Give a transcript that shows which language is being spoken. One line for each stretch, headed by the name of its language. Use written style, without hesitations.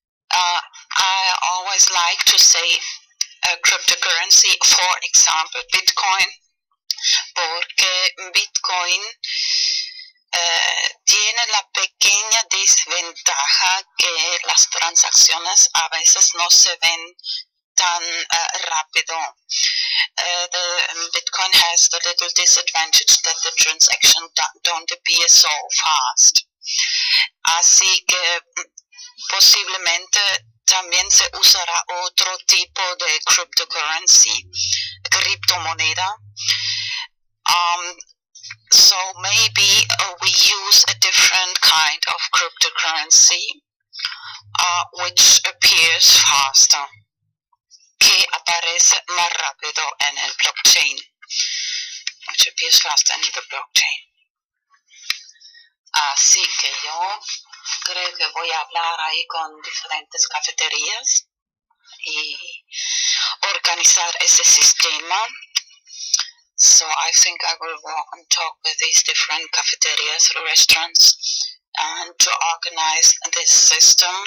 English: I always like to say cryptocurrency, for example, Bitcoin,
Spanish: porque Bitcoin tiene la pequeña desventaja que las transacciones a veces no se ven tan rápido.
English: The Bitcoin has the little disadvantage that the transactions don't appear so fast.
Spanish: Así que posiblemente también se usará otro tipo de cryptocurrency, criptomoneda.
English: So maybe we use a different kind of cryptocurrency, which appears faster,
Spanish: que aparece más rápido en el blockchain,
English: which appears faster in the blockchain.
Spanish: Así que yo creo que voy a hablar ahí con diferentes cafeterías y organizar ese sistema.
English: So I think I will go and talk with these different cafeterias or restaurants and to organize this system.